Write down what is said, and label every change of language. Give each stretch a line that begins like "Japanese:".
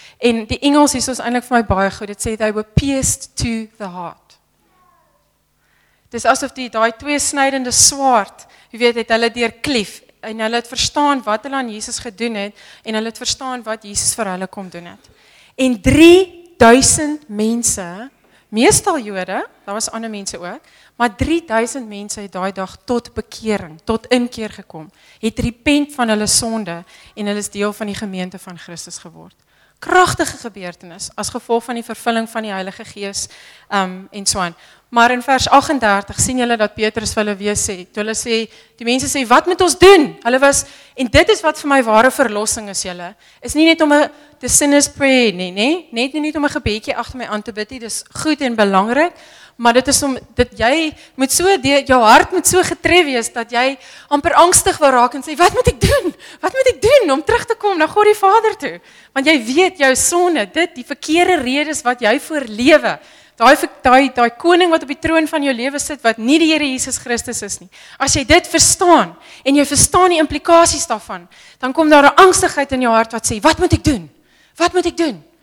Afrikaans: En die Engels is ons eintlik vir my baie goed, het sê,
English: they were pierced to the heart.
Afrikaans: Dis asof die daai twee snydende swaard, jy weet, het hulle deur klief en hulle het verstaan wat hulle aan Jesus gedoen het en hulle het verstaan wat Jesus vir hulle kom doen het. En 3000 mense, meestal Jode, daar was ander mense ook, maar 3000 mense het daai dag tot bekering, tot inkeer gekom, het repent van hulle sonde en hulle is deel van die gemeente van Christus geword. Kragtige gebeurtenis as gevolg van die vervulling van die Heilige Gees en so aan. Maar in vers 38 sien julle dat Petrus vir hulle weer sê, toe hulle sê, die mense sê, wat moet ons doen? Hulle was, en dit is wat vir my ware verlossing is julle, is nie net om te sinners pray, net om 'n gebedjie agter my aan te bid, dit is goed en belangrik, maar dit is om, dat jy moet so, jou hart moet so getref wees, dat jy amper angstig wil raak en sê, wat moet ek doen? Wat moet ek doen om terug te kom na God die Vader toe? Want jy weet jou sonde, dit die verkeerde redes wat jy voor lewe, daai koning wat op die troon van jou lewe sit, wat nie die Here Jesus Christus is nie. As jy dit verstaan, en jy verstaan die implikasies daarvan, dan kom daar 'n angstigheid in jou hart wat sê, wat moet ek doen? Wat moet ek doen?